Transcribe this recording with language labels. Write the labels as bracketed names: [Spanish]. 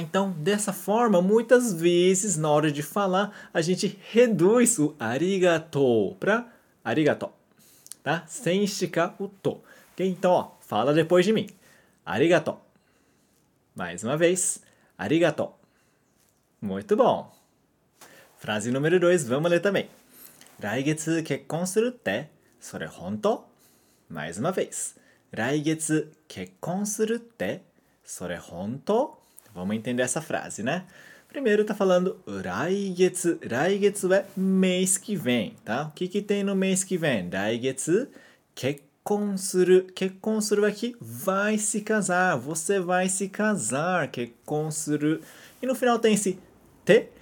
[Portuguese] Então, dessa forma, muitas vezes, na hora de falar, a gente reduz o arigato para arigato. Tá? Sem esticar o to. Okay? Então, ó, fala depois de mim. Arigato. Mais uma vez. Arigato. Muito bom. Frase número 2, vamos ler também. [Japanese] 来月結婚するってそれ本当? [Portuguese] Mais uma vez. [Japanese] 来月結婚するってそれ本当? [Portuguese] Vamos entender essa frase, né? Primeiro está falando 来月. 来月 é mês que vem, tá? O que, que tem no mês que vem? [Japanese] 来月結婚する. [Portuguese] 結婚する é que vai se casar. Você vai se casar. 結婚する.E no final tem esse te.